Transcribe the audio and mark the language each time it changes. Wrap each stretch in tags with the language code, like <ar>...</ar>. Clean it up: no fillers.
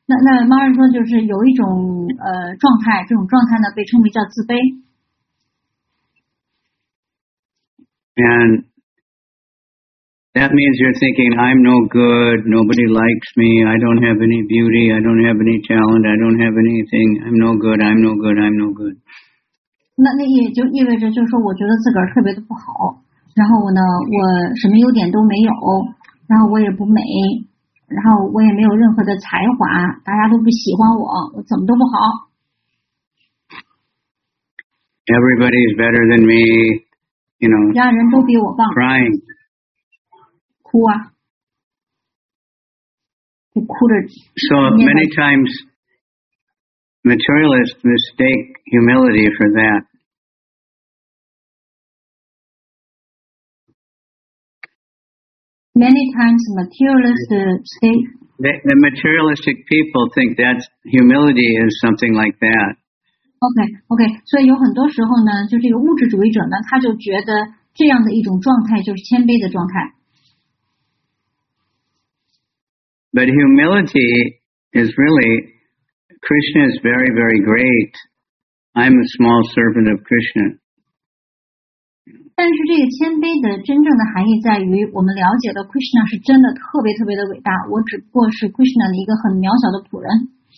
<zh>那 Mara 说就是有一种状态，这种状态呢被称为叫自卑。</zh> <en>And that means you're thinking, I'm no good, nobody likes me, I don't have any beauty, I don't have any talent, I don't have anything, I'm no good, I'm no good, I'm no good.</en> <zh>那也就意味着就是说我觉得自个儿特别的不好，然后呢我什么优点都没有，然后我也不美，然后我也没有任何的才华，大家都不喜欢我，我怎么都不好。</zh> <en>Everybody is better than me. You know,</en> <zh>家人都比我棒</zh> <en>crying.</en> <zh>哭啊我哭着</zh> <en>So many times materialists mistake humility for that. Many times materialists mistake the materialistic people think that humility is something like that.</en> <zh>OK, 所以有很多时候呢就这个物质主义者呢他就觉得这样的一种状态就是谦卑的状态。</zh> <en>But humility is really, Krishna is very, very great. I'm a small servant of Krishna.</en> <zh>但是这个谦卑的真正的含义在于我们了解的 Krishna 是真的特别特别的伟大，我只不过是 Krishna 的一个很渺小的仆人。</zh>